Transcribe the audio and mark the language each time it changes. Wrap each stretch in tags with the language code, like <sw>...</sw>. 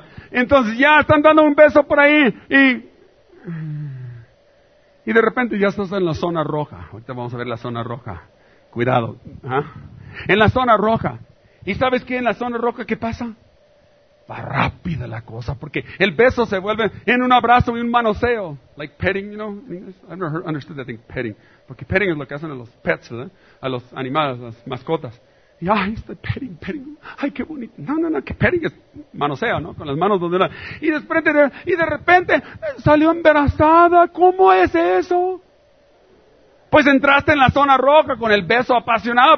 <es>Entonces ya están dando un beso por ahí y de repente ya estás en la zona roja. Ahorita vamos a ver la zona roja. Cuidado. ¿Eh? En la zona roja. ¿Y sabes qué? En la zona roja, ¿qué pasa? Va rápida la cosa, porque el beso se vuelve en un abrazo y un manoseo.</es> <en>Like petting, you know, in English. I've never understood that thing, petting.</en> <es>Porque petting es lo que hacen a los pets, ¿verdad? A los animales, a las mascotas. Y, ay, estoy petting. Ay, qué bonito. No, que petting es manoseo, ¿no? Con las manos donde era. Y de repente salió embarazada. ¿Cómo es eso? Pues entraste en la zona roja con el beso apasionado.</es>